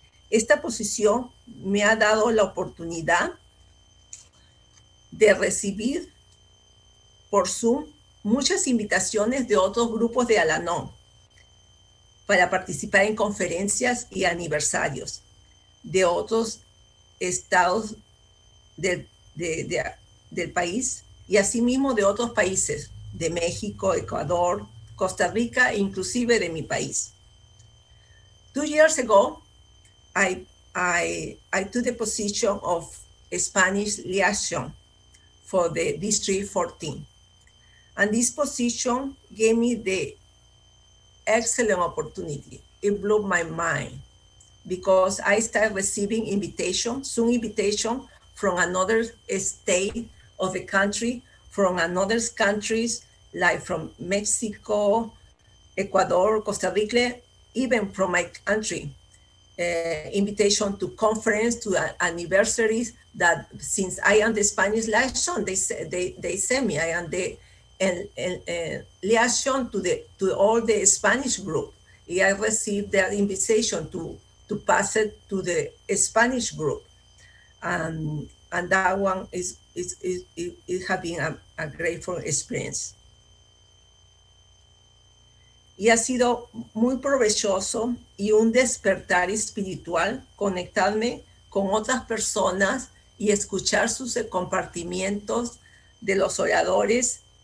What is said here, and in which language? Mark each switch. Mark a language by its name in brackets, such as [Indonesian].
[Spanish] Esta posición me ha dado la oportunidad de recibir por Zoom muchas invitaciones de otros grupos de Al-Anon para participar en conferencias y aniversarios de otros estados del país, y asimismo de otros países, de México, Ecuador, Costa Rica, e inclusive de mi país. [English] 2 years ago, I took the position of Spanish liaison for the District 14. And this position gave me the excellent opportunity. It blew my mind because I started receiving invitation from another state of the country, from another countries, like from Mexico, Ecuador, Costa Rica, even from my country. Invitation to conference, to anniversaries, that since I am the Spanish liaison, they send me. I am the liaison to all the Spanish group. And I received their invitation to pass it to the Spanish group. And that one it has been a grateful experience. [Spanish] Y ha sido muy provechoso y un despertar espiritual conectarme con otras personas y escuchar sus compartimientos de los oradores.